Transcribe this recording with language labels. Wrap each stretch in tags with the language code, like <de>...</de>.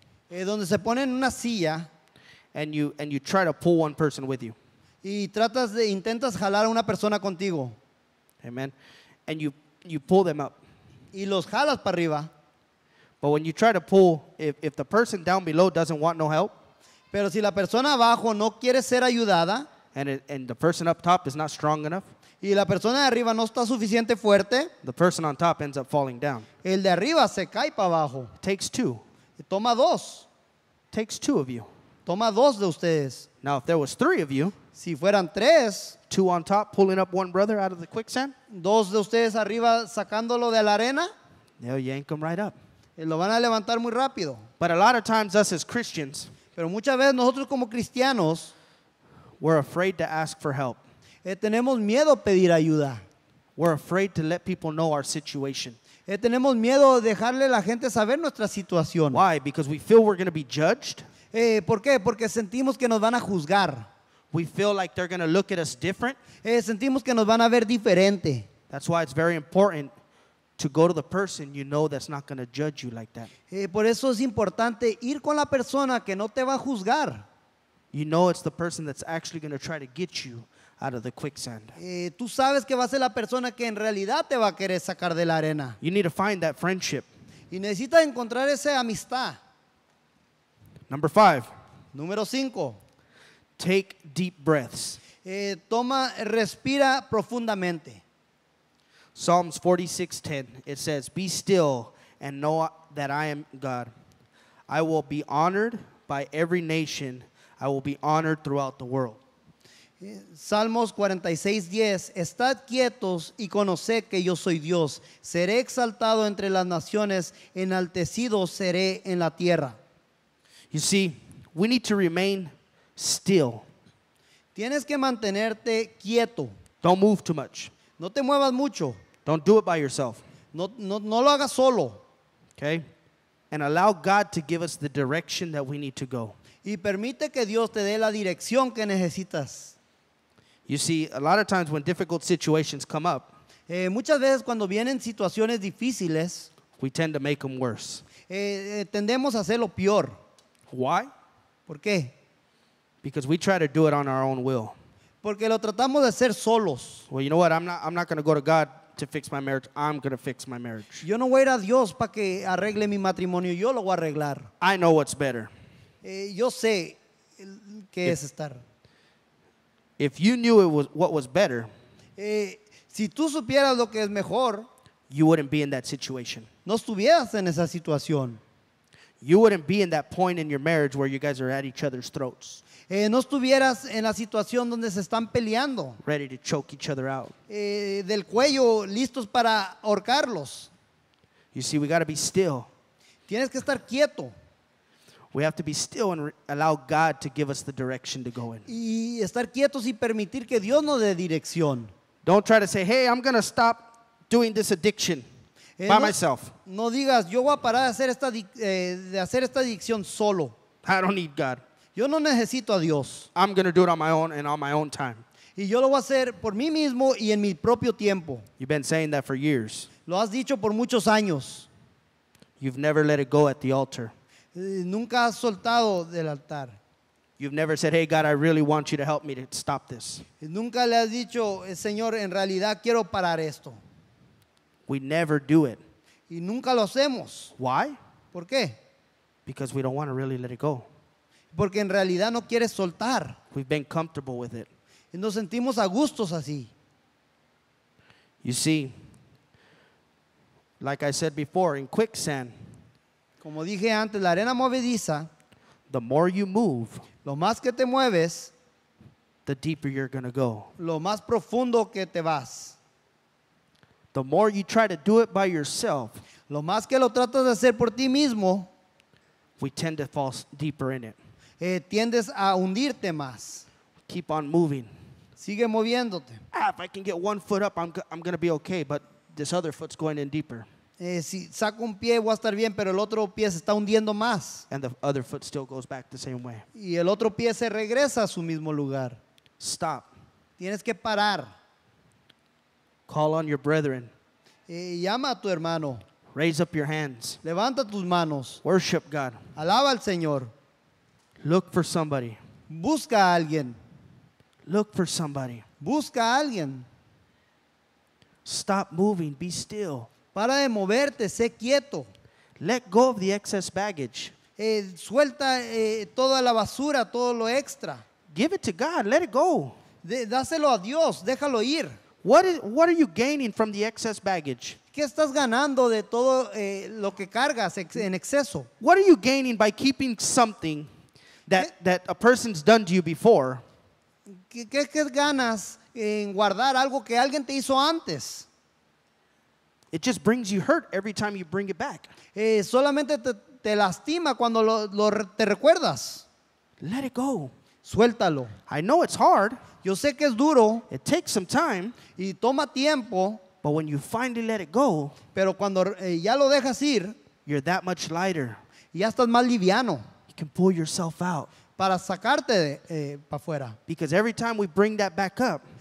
<es>Donde se ponen una silla.</es> <en>And you try to pull one person with you.</en> <es>Y tratas de intentas jalar a una persona contigo.</es> <en>Amen. And you pull them up.</en> <es>Y los jalas para arriba.</es> <en>But when you try to pull, if the person down below doesn't want no help,</en> <es>pero si la persona abajo no quiere ser ayudada,</es> <en>and the person up top is not strong enough,</en> <es>y la persona de arriba no está suficiente fuerte,</es> <en>the person on top ends up falling down.</en> <es>El de arriba se cae para abajo.</es> <en>It takes two.</en> <es>Toma dos.</es> <en>It takes two of you.</en> <es>Toma dos de ustedes.</es> <en>Now, if there was three of you,</en> <es>si fueran tres,</es> <en>Two on top, pulling up one brother out of the quicksand.</en> <es>Dos de ustedes arriba, sacándolo de la arena.</es> <en>They'll yank him right up.</en> <es>Y lo van a levantar muy rápido.</es> <en>But a lot of times, us as Christians,</en> <es>pero muchas veces nosotros como cristianos,</es> <en>we're afraid to ask for help.</en> <es>Tenemos miedo pedir ayuda.</es> <en>We're afraid to let people know our situation.</en> <es>Tenemos miedo dejarle la gente saber nuestra situación.</es> <en>Why? Because we feel we're going to be judged.</en> <es>¿Por qué? Porque sentimos que nos van a juzgar.</es> <en>We feel like they're going to look at us different.</en> <es>Sentimos que nos van a ver diferente.</es> <en>That's why it's very important to go to the person you know that's not going to judge you like that.</en> <es>Por eso es importante ir con la persona que no te va a juzgar.</es> <en>You know it's the person that's actually going to try to get you out of the quicksand.</en> <es>Tú sabes que va a ser la persona que en realidad te va a querer sacar de la arena.</es> <en>You need to find that friendship.</en> <es>Y necesitas encontrar esa amistad.</es> <en>Number five.</en> <es>Número cinco.</es> <en>Take deep breaths.</en> <es>Toma, respira profundamente.</es> <en>Psalms 46:10. It says, "Be still and know that I am God. I will be honored by every nation. I will be honored throughout the world."</en> <es>Salmos 46:10. Estad quietos y conoced que yo soy Dios. Seré exaltado entre las naciones. Enaltecido seré en la tierra.</es> <en>You see, we need to remain still.</en> <es>Tienes que mantenerte quieto.</es> <en>Don't move too much.</en> <es>No te muevas mucho.</es> <en>Don't do it by yourself.</en> <es>No lo hagas solo.</es> <en>Okay? And allow God to give us the direction that we need to go.</en> <es>Y permite que Dios te dé la dirección que necesitas.</es> <en>You see, a lot of times when difficult situations come up,</en> <es>muchas veces cuando vienen situaciones difíciles,</es> <en>we tend to make them worse.</en> <es>Tendemos a hacerlo peor.</es> <en>Why?</en> <es>¿Por qué?</es> <en>Because we try to do it on our own will.</en> <es>Porque lo tratamos de hacer solos.</es> <en>Well, you know what? I'm not going to go to God to fix my marriage. I'm going to fix my marriage.</en> <es>Yo no voy a ir a Dios para que arregle mi matrimonio. Yo lo voy a arreglar.</es> <en>I know what's better.</en> <es>Yo sé qué es estar.</es> <en>If you knew it was what was better,</en> <es>si tú supieras lo que es mejor,</es> <en>you wouldn't be in that situation.</en> <es>No estuvieras en esa situación.</es> <en>You wouldn't be in that point in your marriage where you guys are at each other's throats.</en> <es>No estuvieras en la situación donde se están peleando.</es> <en>Ready to choke each other out.</en> <es>Del cuello, listos para ahorcarlos.</es> <en>You see, we got to be still.</en> <es>Tienes que estar quieto.</es> <en>We have to be still and allow God to give us the direction to go in.</en> <es>Y estar quietos y permitir que Dios nos dé dirección.</es> <en>Don't try to say, "Hey, I'm going to stop doing this addiction." By myself.</en> <es>No digas, yo voy a parar de hacer esta adicción solo.</es> <en>I don't need God.</en> <es>Yo no necesito a Dios.</es> <en>I'm going to do it on my own and on my own time.</en> <es>Y yo lo voy a hacer por mí mismo y en mi propio tiempo.</es> <en>You've been saying that for years.</en> <es>Lo has dicho por muchos años.</es> <en>You've never let it go at the altar.</en> <es>Nunca has soltado del altar.</es> <en>You've never said, "Hey God, I really want you to help me to stop this."</en> <es>Nunca le has dicho, "Señor, en realidad quiero parar esto."</es> <en>We never do it.</en> <es>Y nunca lo hacemos.</es> <en>Why?</en> <es>¿Por qué?</es> <en>Because we don't want to really let it go.</en> <es>Porque en realidad no quieres soltar.</es> <en>We've been comfortable with it.</en> <es>Y nos sentimos a gustos así.</es> <en>You see, like I said before, in quicksand,</en> <es>como dije antes, la arena movediza,</es> <en>the more you move,</en> <es>lo más que te mueves,</es> <en>the deeper you're going to go.</en> <es>Lo más profundo que te vas.</es> <en>The more you try to do it by yourself,</en> <es>lo más que lo tratas de hacer por ti mismo,</es> <en>we tend to fall deeper in it.</en> <es>Tiendes a hundirte más.</es> <en>Keep on moving.</en> <es>Sigue moviéndote.</es> <en>If I can get one foot up, I'm going to be okay, but this other foot's going in deeper.</en> <es>Si saco un pie, voy a estar bien, pero el otro pie se está hundiendo más.</es> <en>And the other foot still goes back the same way.</en> <es>Y el otro pie se regresa a su mismo lugar.</es> <en>Stop.</en> <es>Tienes que parar.</es> <en>Call on your brethren.</en> <es>Llama a tu hermano.</es> <en>Raise up your hands.</en> <es>Levanta tus manos.</es> <en>Worship God.</en> <es>Alaba al Señor.</es> <en>Look for somebody.</en> <es>Busca a alguien.</es> <en>Look for somebody.</en> <es>Busca a alguien.</es> <en>Stop moving. Be still.</en> <es>Para de moverte. Sé quieto.</es> <en>Let go of the excess baggage.</en> <es>Suelta toda la basura, todo lo extra.</es> <en>Give it to God. Let it go.</en> <es>Dáselo a Dios. Déjalo ir.</es> <en>What are you gaining from the excess baggage?</en> <es>¿Qué estás ganando de todo lo que cargas en exceso?</es> <en>What are you gaining by keeping something that a person's done to you before?</en> <es>¿Qué ganas en guardar algo que alguien te hizo antes?</es> <en>It just brings you hurt every time you bring it back.</en> <es>Solamente te lastima cuando lo te recuerdas.</es> <en>Let it go.</en> <es>Suéltalo.</es> <en>I know it's hard.</en> <es>Yo sé que es duro.</es> <en>It takes some time.</en> <es>Y toma tiempo.</es> <en>But when you finally let it go,</en> <es>pero cuando ya lo dejas ir,</es> <en>you're that much lighter.</en> <es>Ya estás más liviano.</es> <en>You can pull yourself out.</en> <es>Para sacarte para afuera.</es> <en>Because every time we bring that back up,</en>